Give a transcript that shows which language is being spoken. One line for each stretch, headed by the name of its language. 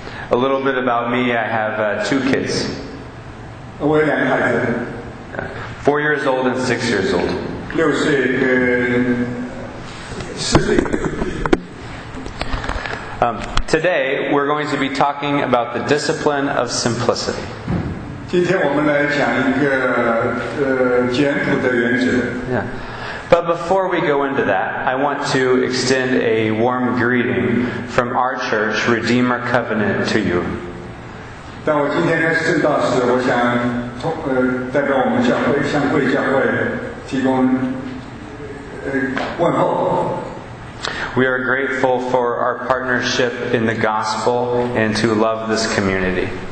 English: A little bit about me, I have two kids.
Chinese: 我有两个孩子。
English: 4 years old and 6 years old.
Chinese: 六岁跟四岁。
English: Today, we're going to be talking about the discipline of simplicity.
Chinese: 今天我们来讲一个简朴的原则。
English: Yeah. But before we go into that, I want to extend a warm greeting from our church, Redeemer Covenant, to you.
Chinese: 但我今天是正道时，我想代表我们教会向贵教会提供问候。
English: We are grateful for our partnership in the gospel and to love this community.